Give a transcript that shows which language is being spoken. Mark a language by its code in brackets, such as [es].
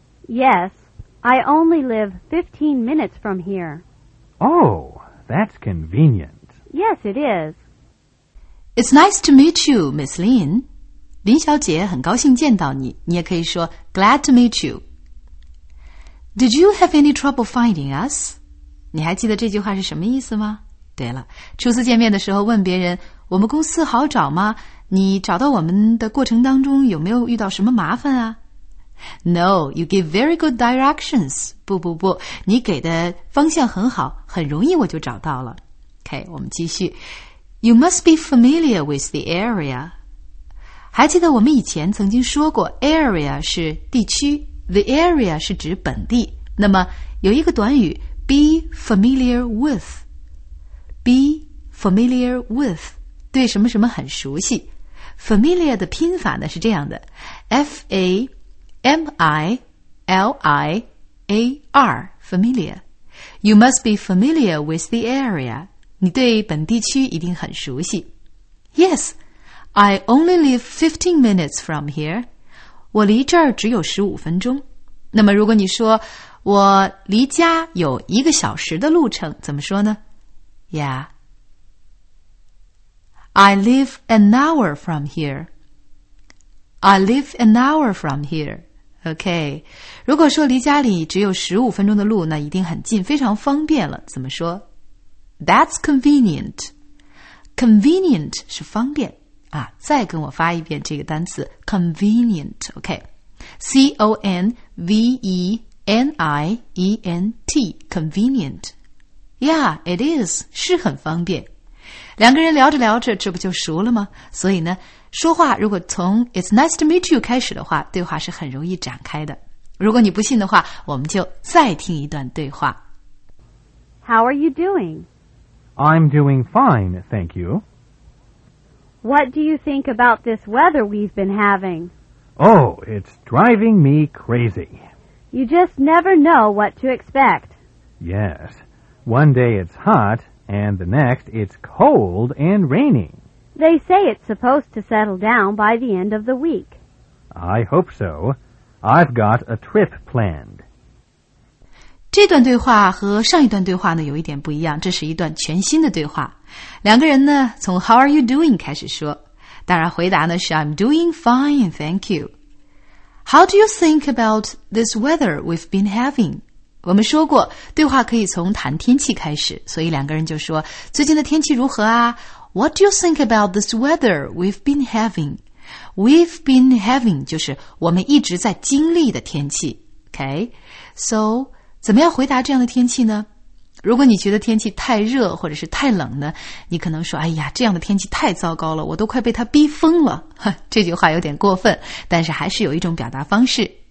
[en] Yes, I only live 15 minutes from here. Oh, that's convenient. Yes, it is. It's nice to meet you, Ms. Lin. [zh] 林小姐，很高兴见到你。你也可以说 [en] Glad to meet you. Did you have any trouble finding us? [zh] 你还记得这句话是什么意思吗？对了，初次见面的时候问别人，我们公司好找吗？你找到我们的过程当中有没有遇到什么麻烦啊？ [en] No, you give very good directions. [zh] 不不不，你给的方向很好，很容易我就找到了。 OK, 我们继续。 [en] You must be familiar with the area. [zh] 还记得我们以前曾经说过 area 是地区， the area 是指本地。那么有一个短语 [en] be familiar with， be familiar with， [zh] 对什么什么很熟悉。 familiar 的拼法呢是这样的， F-A-M-I-L-I-A-R familiar。 [en] You must be familiar with the area， [zh] 你对本地区一定很熟悉。 [en] YesI only live 15 minutes from here. [zh] 我离这儿只有15分钟。那么如果你说我离家有一个小时的路程，怎么说呢？ [en] Yeah. I live an hour from here. I live an hour from here. Okay. [zh] 如果说离家里只有15分钟的路，那一定很近，非常方便了。怎么说？ [en] That's convenient. [zh] Convenient 是方便。啊，再跟我发一遍这个单词 convenient, OK, C-O-N-V-E-N-I-E-N-T, convenient. [en] Yeah, it is, [zh] 是很方便。两个人聊着聊着，这不就熟了吗？所以呢，说话如果从 [en] It's nice to meet you [zh] 开始的话，对话是很容易展开的。如果你不信的话，我们就再听一段对话。 [en] How are you doing? I'm doing fine, thank you. What do you think about this weather we've been having? Oh, it's driving me crazy. You just never know what to expect. Yes. One day it's hot, and the next it's cold and raining. They say it's supposed to settle down by the end of the week. I hope so. I've got a trip planned. [zh] 这段对话和上一段对话呢有一点不一样，这是一段全新的对话。两个人呢从 [en] How are you doing [zh] 开始说，当然回答呢是 [en] I'm doing fine, thank you. How do you think about this weather we've been having? [zh] 我们说过对话可以从谈天气开始，所以两个人就说最近的天气如何啊？ [en] What do you think about this weather we've been having? We've been having [zh] 就是我们一直在经历的天气。 OK, so 怎么样回答这样的天气呢？如果你觉得天气太热或者是太冷呢，你可能说哎呀这样的天气太糟糕了，我都快被它逼疯了。这句话有点过分，但是还是有一种表达方式。